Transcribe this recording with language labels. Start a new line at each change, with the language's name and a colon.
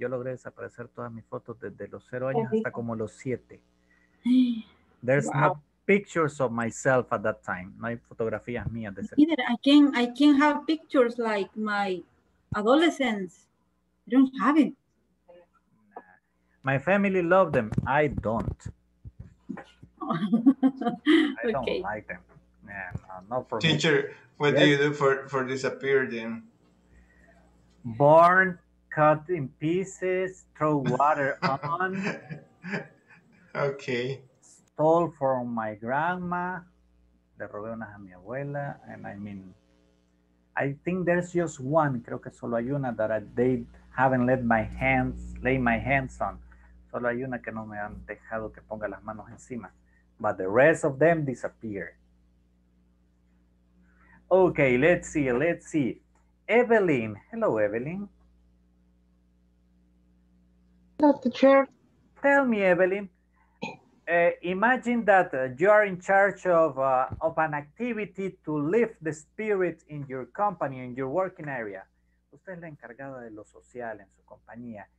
Spanish: Yo logré desaparecer todas mis fotos desde los 0 años hasta como los 7.
English: There's no pictures of myself at that time.
Spanish: No hay fotografías mías de ese.
English: Either I can have pictures like my adolescence. I don't have it. My family love them. I don't. Okay. I don't like them. Yeah, not for teacher, me. What do you do for disappear then? Burn, cut in pieces, throw water on. Okay. Stole from my grandma.
Spanish: Le robé unas a mi abuela.
English: And I mean, I think there's just one.
Spanish: Creo que solo hay una
English: that they haven't laid my hands on.
Spanish: Solo hay una que no me han dejado que ponga las manos encima.
English: But the rest of them disappeared. Okay, let's see. Evelyn. Hello, Evelyn. Hello, teacher. Tell me, Evelyn. Imagine that you are in charge of an activity to lift the spirit in your company, in your working area.
Spanish: Usted es la encargada de lo social en su compañía.